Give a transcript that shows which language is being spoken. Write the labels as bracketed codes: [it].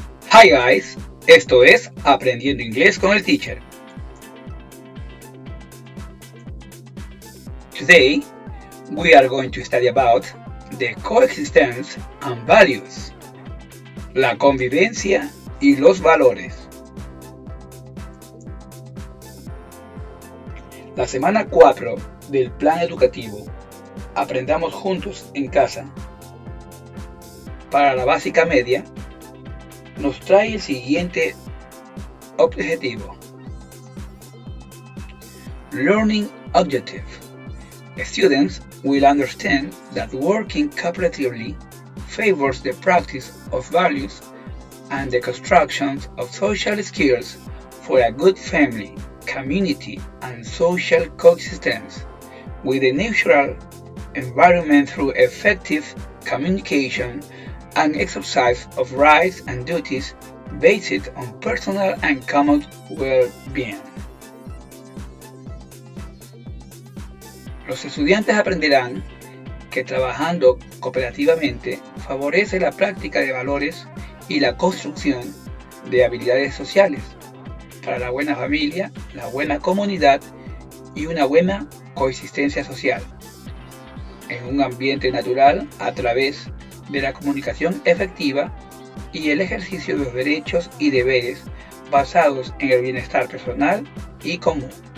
[en] Hi guys, [es] esto es Aprendiendo Inglés con el Teacher. [en] Today, we are going to study about the coexistence and values. [es] La convivencia y los valores. La semana 4 del plan educativo Aprendamos Juntos en Casa para la básica media nos trae el siguiente objetivo. [en] Learning objective. Students will understand that working cooperatively favors the practice of values and the construction of social skills for a good family, community, and social coexistence with a natural environment through effective communication an exercise of rights and duties based on personal and common well-being. [es] Los estudiantes aprenderán que trabajando cooperativamente favorece la práctica de valores y la construcción de habilidades sociales para la buena familia, la buena comunidad y una buena coexistencia social en un ambiente natural a través de la comunicación efectiva y el ejercicio de los derechos y deberes basados en el bienestar personal y común.